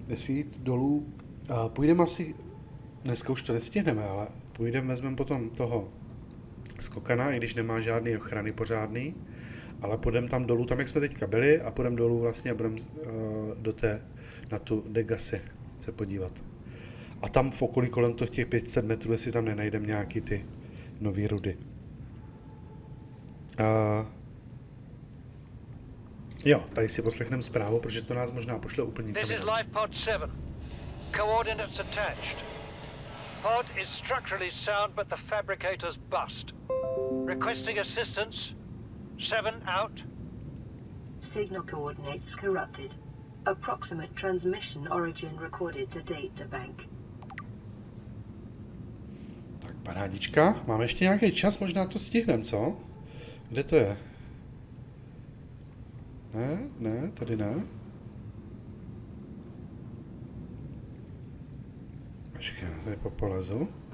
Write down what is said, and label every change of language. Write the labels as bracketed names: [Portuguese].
[Czech] Jestli jít dolů, půjdeme asi, dneska už to nestihneme, ale půjdeme, vezmeme potom toho skokana, i když nemá žádný ochrany pořádný, ale půjdeme tam dolů, tam jak jsme teďka byli, a půjdeme dolů vlastně a budeme do té, na tu degasy se podívat. A tam v okolí kolem těch 500 metrů, jestli tam nenajdeme nějaký ty nový rudy. Jo, tady si poslechneme zprávu, protože to nás možná pošle úplně. [English] This is Life Pod 7. Coordinates attached. Pod is structurally sound, but the fabricator's bust. Requesting assistance. 7 out. Signal coordinates corrupted. Approximate transmission origin recorded to data bank. [Czech] Tak parádička, máme ještě nějaký čas, možná to stihneme, co? Kde to je? Ne, ne, tady ne. Počkej, tady popolezu.